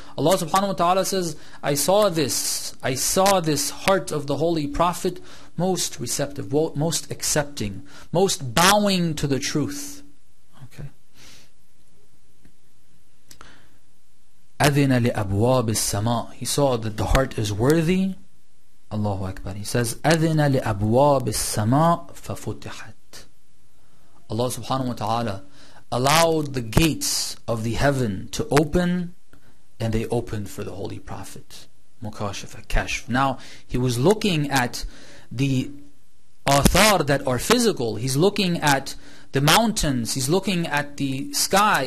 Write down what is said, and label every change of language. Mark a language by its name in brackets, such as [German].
[English] Allah subhanahu wa ta'ala says, I saw this heart of the Holy Prophet most receptive, most accepting, most bowing to the truth. Okay. [Arabic] أَذِنَ لِأَبْوَابِ السَّمَاءِ. [English] He saw that the heart is worthy. Allahu Akbar. He says, [Arabic] أَذِنَ لِأَبْوَابِ السَّمَاءِ فَفُتِحَتْ. [English] Allah subhanahu wa ta'ala allowed the gates of the heaven to open, and they opened for the Holy Prophet. Mukashifa, kashf. Now, he was looking at the athar that are physical. He's looking at the mountains. He's looking at the sky.